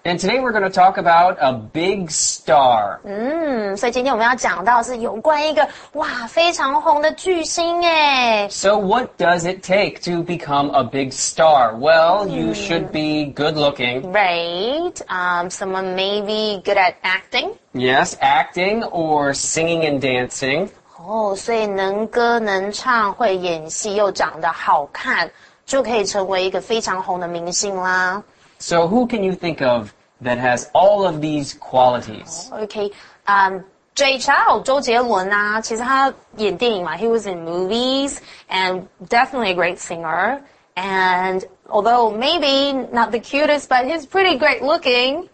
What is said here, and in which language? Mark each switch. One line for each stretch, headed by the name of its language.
English: And today we're going to talk about a big star.
Chinese: 所以今天我们要讲到是有关一个哇非常红的巨星耶。
English: So what does it take to become a big star? Well, you should be good looking. Right. Someone maybe good at acting. Yes, acting or singing and dancing.
Chinese: 所以能歌能唱会演戏又长得好看就可以成为一个非常红的明星啦。
English: So who can you think of that has all of these qualities? Jay Chou,
Chinese: 周杰伦啊其实他演电影嘛
English: he was in movies, and definitely a great singer, and although maybe not the cutest, but he's pretty great looking.